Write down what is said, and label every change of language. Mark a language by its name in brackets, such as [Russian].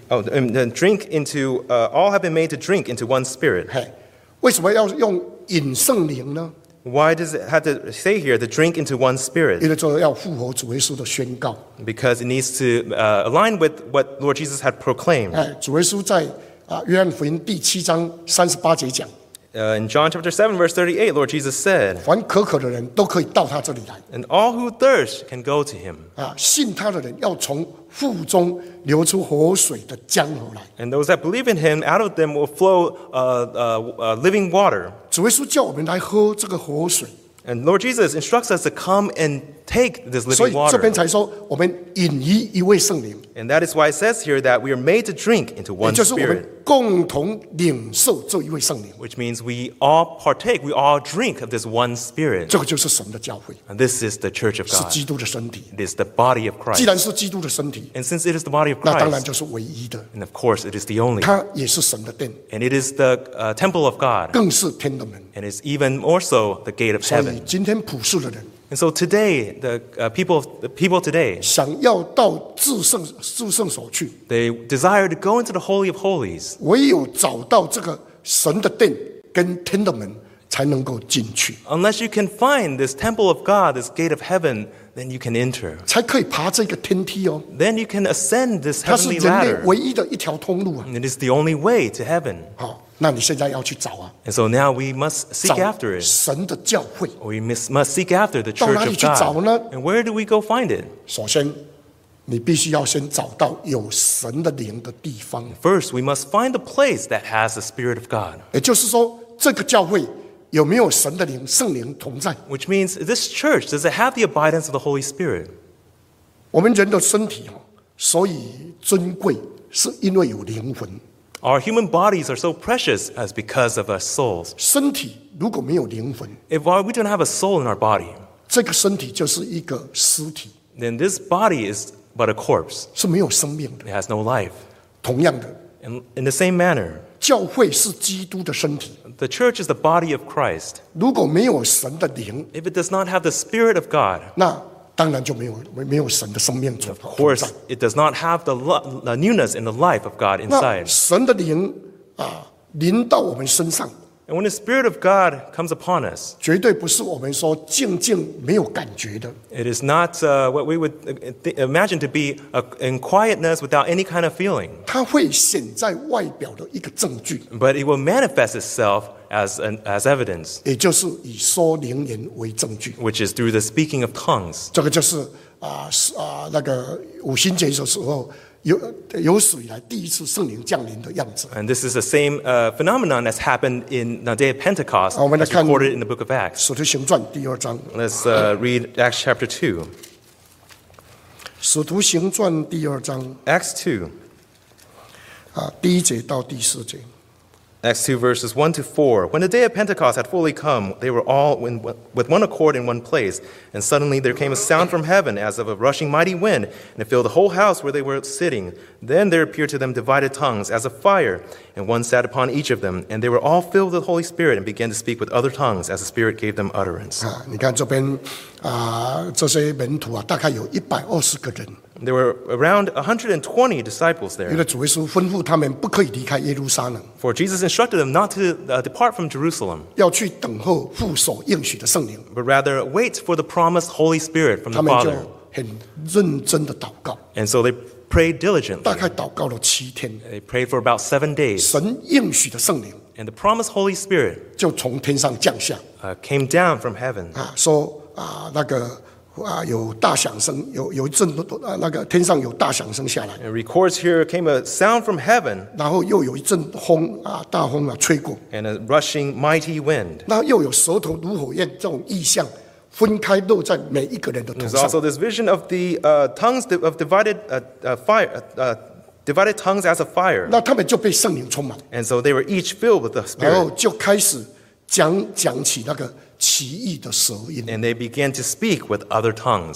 [English] All have been made to drink into one spirit. [Chinese] 为什么要用饮圣灵呢？ [English] Why does it have to say here to drink into one spirit? Because it needs to align with what Lord Jesus had proclaimed. [Chinese] 主耶稣在约翰福音第七章三十八节讲。 [English] In John chapter 7, verse 38, Lord Jesus said, [Chinese] 凡可渴的人都可以到他这里来。 [English] And all who thirst can go to him. [Chinese] 信他的人要从腹中流出活水的江河来。 [English] And those that believe in him, out of them will flow living water. [Chinese] 主耶稣叫我们来喝这个活水。 [English] And Lord Jesus instructs us to come and take this living water. [Chinese] 所以这边才说我们饮于一位圣灵。 [English] And that is why it says here that we are made to drink into one spirit. [Chinese] 也就是我们共同领受这一位圣灵。 [English] Which means we all partake, we all drink of this one spirit. [Chinese] 这个就是神的教会。 [English] And this is the church of God. [Chinese] 是基督的身体。 [English] It is the body of Christ. [Chinese] 既然是基督的身体。 [English] And since it is the body of Christ. [Chinese] 那当然就是唯一的。 [English] And of course it is the only. [Chinese] 它也是神的殿。 [English] And it is the temple of God. [Chinese] 更是天的门。 [English] And it's even more so the gate of heaven. [Chinese] 所以今天普世的人。 [English] And so today, the people today, [Chinese] 想要到至圣所去, [English] they desire to go into the Holy of Holies. [Chinese] 唯有找到这个神的殿跟天的门才能够进去。 [English] Unless you can find this temple of God, this gate of heaven, then you can enter. [Chinese] 才可以爬这个天梯哦。 [English] Then you can ascend this heavenly ladder. [Chinese] 它是人类唯一的一条通路啊。 [English] And it is the only way to heaven. [Chinese] 好，那你现在要去找啊。 [English] And so now we must seek after it. [Chinese] 找神的教会。 [English] We must seek after the church of God. [Chinese] 到哪里去找呢？ [English] And where do we go find it? [Chinese] 首先，你必须要先找到有神的灵的地方。 [English] First, we must find the place that has the Spirit of God. [Chinese] 也就是说，这个教会有没有神的灵、圣灵同在？ [English] Which means this church, does it have the abidance of the Holy Spirit? [Chinese] 我们人的身体所以尊贵是因为有灵魂。 [English] Our human bodies are so precious as because of our souls. [Chinese] 身体如果没有灵魂， [English] if we don't have a soul in our body, [Chinese] 这个身体就是一个尸体， [English] then this body is but a corpse. [Chinese] 是没有生命的， [English] it has no life. [Chinese] 同样的， [English] in the same manner, [Chinese] 教会是基督的身体， [English] the church is the body of Christ. [Chinese] 如果没有神的灵， [English] if it does not have the spirit of God, [Chinese] 那当然就没有神的生命存在。 [English] Of course, it does not have the newness in the life of God inside. [Chinese] 那神的灵啊，临到我们身上。 [English] And when the Spirit of God comes upon us, [Chinese] 绝对不是我们说静静没有感觉的。 [English] It is not what we would imagine to be in quietness without any kind of feeling. [Chinese] 它会显在外表的一个证据。 [English] But it will manifest itself. As evidence, [Chinese] 也就是以说灵言为证据， [English] which is through the speaking of tongues. [Chinese] 这个就是那个五旬节的时候有史以来第一次圣灵降临的样子。 [English] And this is the same phenomenon that's happened in the day of Pentecost, as recorded in the book of Acts. [Chinese] 使徒行传第二章。 [English] Let's read Acts chapter 2. [Chinese] 使徒行传第二章。 [English] Acts 2. [Chinese] 第一节到第四节。 [English] Acts 2 verses 1 to 4. When the day of Pentecost had fully come, they were all with one accord in one place. And suddenly there came a sound from heaven as of a rushing mighty wind, and it filled the whole house where they were sitting. Then there appeared to them divided tongues as of fire, and one sat upon each of them. And they were all filled with the Holy Spirit and began to speak with other tongues as the Spirit gave them utterance. [Chinese] 你看这边这些门徒大概有120个人。 [English] There were around 120 disciples there. [Chinese] 因为主耶稣吩咐他们不可以离开耶路撒冷。 [English] For Jesus instructed them not to depart from Jerusalem. [Chinese] 要去等候父所应许的圣灵。 [English] But rather wait for the promised Holy Spirit from the Father. [Chinese] 他们就很认真的祷告。 [English] And so they prayed diligently. [Chinese] 大概祷告了七天。 [English] They prayed for about 7 days. [Chinese] 神应许的圣灵。 [English] And the promised Holy Spirit [Chinese] 就从天上降下。 [English] Came down from heaven. [Chinese] 说那个。有大响声，有一阵那个天上有大响声下来。 [English] It records here came a sound from heaven. [Chinese] 然后又有一阵风大风吹过。 [English] And a rushing mighty wind. [Chinese] 那又有舌头如火焰这种异象，分开落在每一个人的头上。 [English] There's also this vision of the tongues of divided fire, divided tongues as a fire. [Chinese] 那他们就被圣灵充满。 [English] And so they were each filled with the Spirit. [Chinese] 然后就开始讲起那个。奇异的舌音。 [English] And they began to speak with other tongues.